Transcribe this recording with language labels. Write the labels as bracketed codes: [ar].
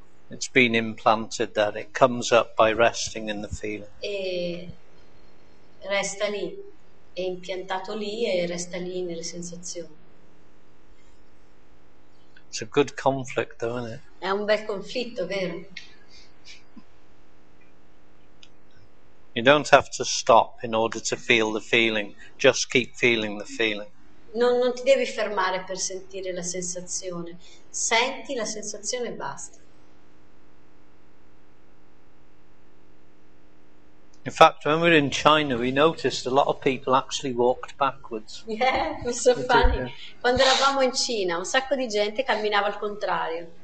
[en] It's been implanted that it comes up by resting in the feeling. [it] E resta lì, è impiantato lì e resta lì nelle sensazioni. [en] It's a good conflict though, isn't it? [it] È un bel conflitto, vero? [en] You don't have to stop in order to feel the feeling. Just keep feeling the feeling. [it] Non ti devi fermare per sentire la sensazione. Senti la sensazione e basta. [en] In fact, when we were in China, we noticed a lot of people actually walked backwards. Yeah, it's so funny. [it] Quando eravamo in Cina, un sacco di gente camminava al contrario.